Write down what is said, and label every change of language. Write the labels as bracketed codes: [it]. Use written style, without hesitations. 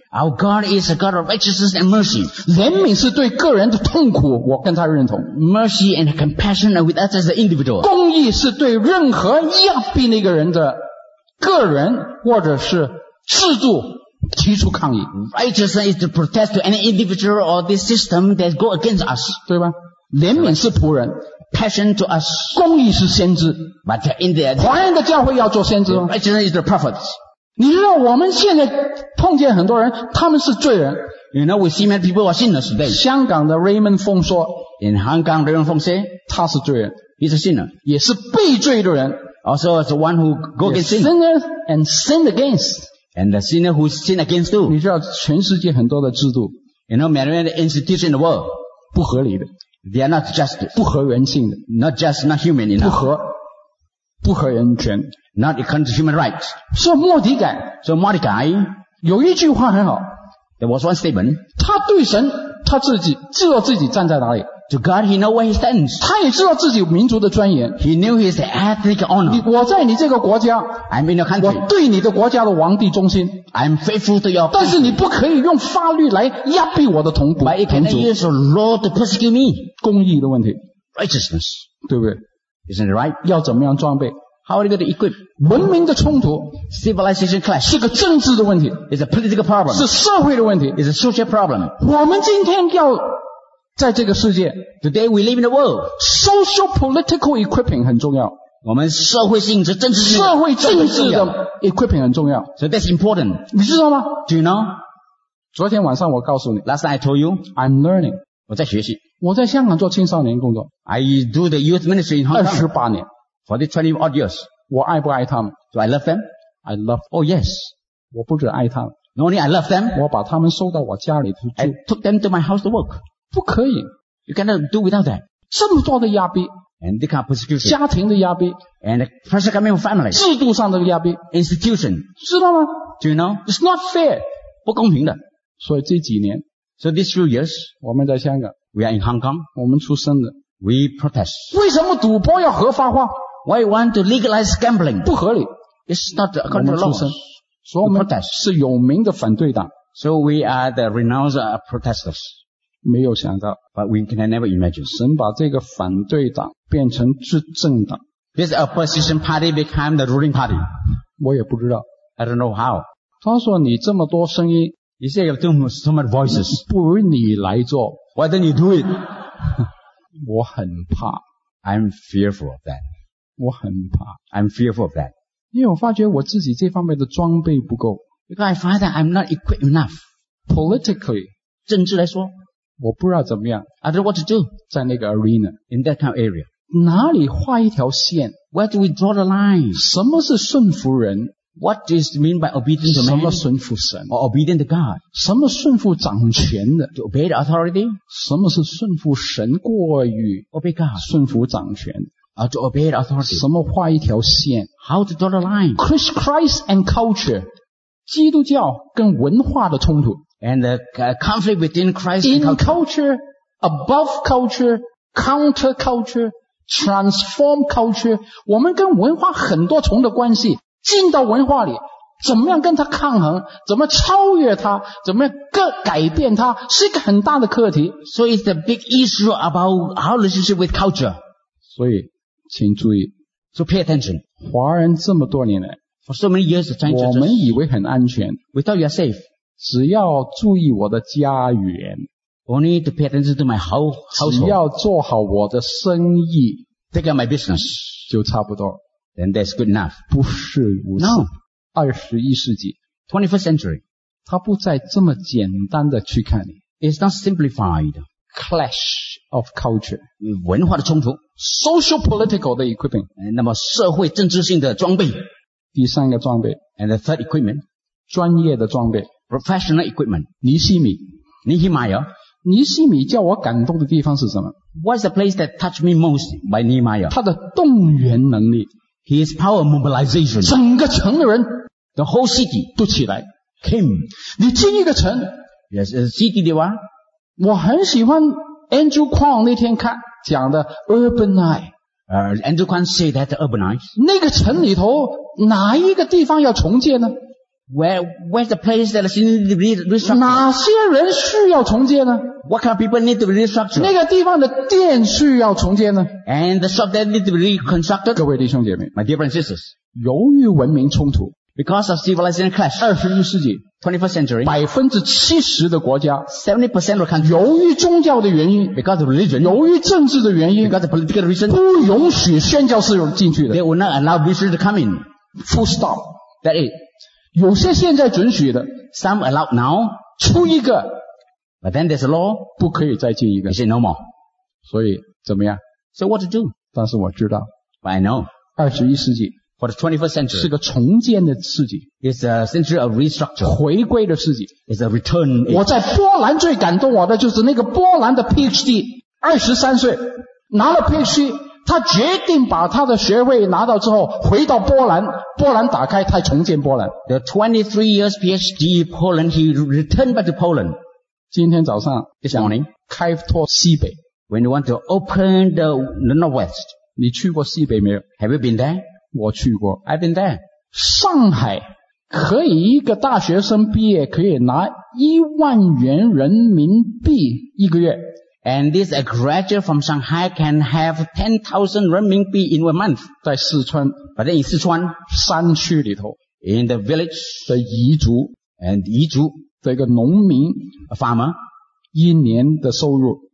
[en] Our God is a God of righteousness and mercy. [zh] 怜悯是对个人的痛苦，我跟他认同。 [en] Mercy and compassion are with us as an individual. [zh] 公义是对任何压迫那个人的个人或者是制度。提出抗议。 [en] Righteousness is to protest to any individual or this system that go against us. [zh] 对吧？怜悯是仆人。 [en] Passion to us. [zh] 公义是先知。 [en] But in the, [zh] 华人的教会要做先知吗？ [en] Righteousness is the prophets. [zh] 你知道我们现在碰见很多人，他们是罪人。 [en] You know, we see many people who are sinners today. [zh] 香港的 Raymond Fong 说， [en] In Hong Kong, Raymond Fong say, [zh] 他是罪人。 [en] He's a sinner. [zh] 也是被罪的人。 [en] Also, as the one who go against sin. Sinner and sinned against. And the sinner who sin against you. [zh] 你知道全世界很多的制度。 [en] You know, many institutions in the world. [zh] 不合理的。 [en] They are not just. [zh] 不合人性的。 [en] Not just, not human enough. [zh] 不合人权。 [en] Not according to human rights. [zh] So, Mordecai, 有一句话很好。 [en] There was one statement. [zh] 他对神他自己知道自己站在哪里。 [en] To God, he knows where he stands. [zh] 他也知道自己民族的尊严。 [en] He knew his ethnic honor. [zh] 我在你这个国家。 [en] I'm in your country. [zh] 我对你的国家的王帝忠心。 [en] I'm faithful to your [zh] country. 但是你不可以用法律来压迫我的同胞。 [en] But you cannot use the law to persecute me. [zh] 公义的问题。 [en] Righteousness. [zh] 对不对？ [en] Isn't it right? [zh] 要怎么样装备？ [en] How are you going to equip? [zh] 文明的冲突 [en] Civilization clash [zh] 是个政治的问题 [en] It's a political problem [zh] 是社会的问题 [en] It's a social problem [zh] 我们今天要在这个世界 [en] Today we live in the world Social political equipping [zh] 很重要我们社会性质政治性社会政治的 equipping 很重要 [en] So that's important [zh] 你知道吗 [en] Do you know? [zh] 昨天晚上我告诉你 [en] Last night I told you I'm learning [zh] 我在学习我在香港做青少年工作 [en] I do the youth ministry in Hong Kong [zh] 28年 [en] For the 20 odd years. [zh] 我爱不爱他们? [en] Do I love them? I love, oh yes. [zh] 我不只爱他们。 [en] Not only I love them. [zh] 我把他们收到我家里去住。 [en] I took them to my house to work. [zh] 不可以。 [en] You cannot do without that. [zh] 这么多的压迫。 [en] And they can't persecute. [zh] 家庭的压迫。 [en] And the pressure coming from family. [zh] 制度上的压迫。 [en] Institution. [zh] 知道吗? [en] Do you know? It's not fair. [zh] 不公平的。所以这几年。 [en] So these few years. [zh] 我们在香港。 [en] We are in Hong Kong. [zh] 我们出生的。 [en] We protest. [zh] 为什么赌博要合法化? [en] Why you want to legalize gambling? [zh] 不合理。 [en] It's not a country law. [zh] 所以我们是有名的反对党。 [en] So we are the renowned protesters. [zh] 没有想到。 [en] But we can never imagine. [zh] 神把这个反对党变成执政党。 [en] This opposition party became the ruling party. [zh] 我也不知道。 [en] I don't know how. [zh] 他说你这么多声音。 [en] He said you have so many voices. [zh] 不如你来做。 [en] Why don't you do it? [zh] 我很怕。 [en] I'm fearful of that. [zh] 我很怕 [en] I'm fearful of that [zh] 因为我发觉我自己这方面的装备不够 [en] Because I find that I'm not equipped enough Politically [zh] 政治来说我不知道怎么样 [en] I don't know what to do [zh] 在那个 arena [en] In that kind of area [zh] 哪里画一条线 [en] Where do we draw the line [zh] 什么是顺服人 [en] What is mean by obedience to man [zh] 什么顺服神 [en] Or obedient to God [zh] 什么顺服掌权的 [en] To obey the authority [zh] 什么是顺服神过于 [en] Obey God [zh] 顺服掌权的 [en] To obey the authority. [zh] 什么画一条线 [en] How to draw the line? Christ and culture. [zh] 基督教跟文化的冲突 [en] And the conflict between Christ and culture. In culture, above culture, counter culture, transform culture. [zh] 我们跟文化很多重的关系进到文化里怎么样跟它抗衡怎么超越它怎么样改变它是一个很大的课题 [en] So it's the big issue about our relationship with culture. [zh] 所以请注意 [en] So pay attention [zh] 华人这么多年来 [en] For so many years, the Chinese churches, [zh] 我们以为很安全。 [en] We thought you are safe. [zh] 只要注意我的家园。 [en] Only to pay attention to my household. [zh] 只要做好我的生意。 [en] Take care of my business. [zh] 就差不多。 [en] Then that's good enough. [zh] 不是如此。 [en] No. [zh] 21世纪。 [en] 21st century. [zh] 它不再这么简单的去看你。 [en] It's not simplified. Clash of culture. [zh] 文化的冲突。 [en] Social political 的 equipping. [zh] 那么社会政治性的装备。第三个装备。 [en] And the third equipment. [zh] 专业的装备。 [en] Professional equipment. [zh] 尼希米。尼希米亚。尼希米叫我感动的地方是什么？ [en] What's the place that touched me most by Nehemiah? [zh] 他的动员能力 [en] His power mobilization. [zh] 整个城的人 [en] The whole city [zh] 都起来 [en] came. [zh] 你进一个城 [en] Yes, a city 的话 [zh] 我很喜欢 Andrew Kwan 那天看讲的 urbanize. [en] Andrew Kwan said that urbanize. [zh] 那个城里头哪一个地方要重建呢？ [en] Where's the place that needs to be restructured? [zh] 哪些人需要重建呢？ [en] What kind of people need to be restructured? [zh] 那个地方的店需要重建呢？ [en] And the shop that needs to be reconstructed? [zh] 各位弟兄姐妹， [en] My dear brothers and sisters, [zh] 由于文明冲突， [en] Because of civilization clash, [zh] 21世纪， [en] 21st century, [zh] 70% 的国家， [en] 70% of countries, [zh] 由于宗教的原因， [en] Because of religion, [zh] 由于政治的原因， [en] Because of political reason, [zh] 不允许宣教士进去的， [en] They will not allow visitors to come in. Full stop. That is. [zh] 有些现在准许的 [en] some allowed now [zh] 出一个 [en] but then there's a law [zh] 不可以再进一个 [en] you say no more [zh] 所以怎么样 [en] so what to do [zh] 但是我知道 [en] but I know [zh] 21世纪 [en] for the 21st century [zh] 是个重建的世纪 [en] it's a century of restructure [zh] 回归的世纪 [en] it's a return age. [zh] 我在波兰最感动我的就是那个波兰的 PhD 23岁拿了 PhD 他决定把他的学位拿到之后回到波兰波兰打开他重建波兰 [en] The 23 years PhD Poland He returned back to Poland [zh] 今天早上 [en] This morning [zh] 开拓西北 [en] When you want to open the northwest [zh] 你去过西北没有 [en] Have you been there? [zh] 我去过 [en] I've been there [zh] 上海可以一个大学生毕业可以拿10,000元人民币一个月 [en] And this a graduate from Shanghai can have 10,000 renminbi in a month. [zh] 在四川 [en] But then in 四川 [zh] 山区里头 [en] In the village [zh] 的彝族 [en] And 彝族 [zh] 这个农民 [en] A farmer [zh] 一年的收入